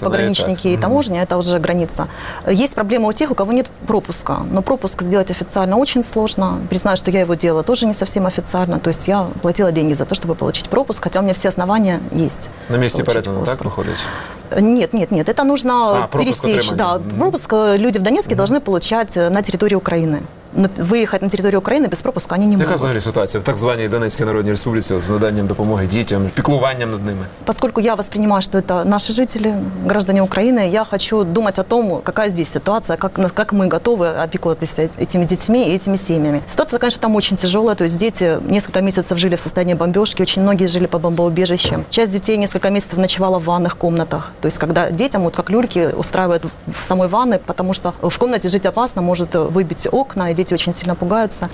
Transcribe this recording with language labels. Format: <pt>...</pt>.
<uk>пограничники і таможня, це вже границя. Є проблема у тих, у кого немає пропуска. Но пропуск зробити офіційно дуже складно. Признаю, що я його робила теж не зовсім офіційно. Тобто я платила гроші за те, щоб отримати пропуск, хоча у мене всі основання є. На місці перетину, так, виходить?</uk> <ru>Нет. Это нужно пересечь. Да, пропуск люди в Донецке должны получать на территории Украины. Но выехать на территорию Украины без пропуска они не могут.</ru> <uk>Какая взагалі ситуация в так званій Донецькій Народній Республіці з наданням допомоги дітям, піклуванням над ними?</uk> <ru>Поскольку я воспринимаю, что это наши жители, граждане Украины, я хочу думать о том, какая здесь ситуация, как мы готовы опекаться этими детьми и этими семьями. Ситуация, конечно, там очень тяжелая. То есть дети несколько месяцев жили в состоянии бомбежки, очень многие жили по бомбоубежищам. Часть детей несколько месяцев ночевала в ванных комнатах. То есть, когда детям, вот как люльки, устраивают в самой ванной, потому что в комнате жить опасно, может выбить окна, и дети очень сильно пугаются.</ru>